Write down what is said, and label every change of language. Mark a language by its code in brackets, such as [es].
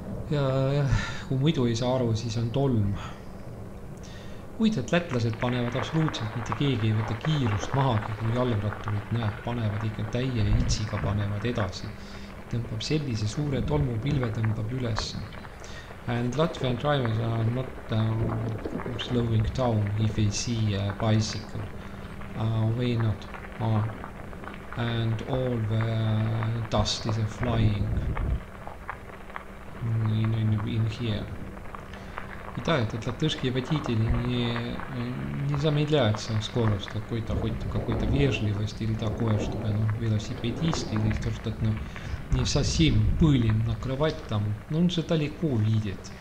[et] Ja kui muidu ei saa aru, siis on tolm. Kuid, et lätlased panevad absoluutselt, mitte keegi ei võta kiirust maha, kui jalgratturid näeb, panevad ikka täie itsiga panevad edasi. Tõmbab sellise suure tolmu pilve tõmbab üles. [en] And Latvian drivers are not slowing down if they see a bicycle. Way not. And all the dust is flying in here. [ru] И да, этот латышский водитель не замедляется скорость какой-то вежливости или такое, чтобы ну, велосипедист или то, что ну, не совсем пылим накрывать там, но он же далеко видит.